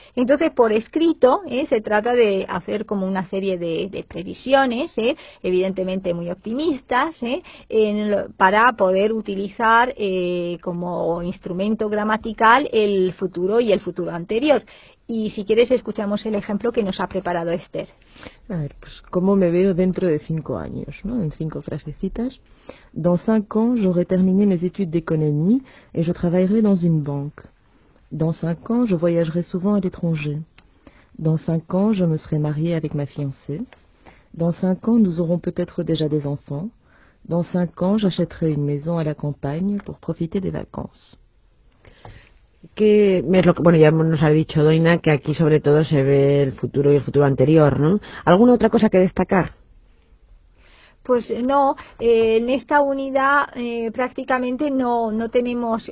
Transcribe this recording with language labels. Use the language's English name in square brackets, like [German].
[Spanish] Entonces, por escrito, se trata de hacer como una serie de previsiones, evidentemente muy optimistas, para poder utilizar como instrumento gramatical el futuro y el futuro anterior. Y si quieres, escuchamos el ejemplo que nos ha preparado Esther. A ver, pues cómo me veo dentro de 5 años, ¿no? En 5 frasecitas. [French] Dans 5 ans, j'aurai terminé mes études d'économie et je travaillerai dans une banque. Dans 5 ans, je voyagerai souvent à l'étranger. Dans 5 ans, je me serai mariée avec ma fiancée. Dans 5 ans, nous aurons peut-être déjà des enfants. Dans 5 ans, j'achèterai une maison à la campagne pour profiter des vacances. [Spanish] Que es lo que, bueno, ya nos ha dicho Doina que aquí sobre todo se ve el futuro y el futuro anterior, ¿no? ¿Alguna otra cosa que destacar? Pues no, en esta unidad prácticamente no tenemos.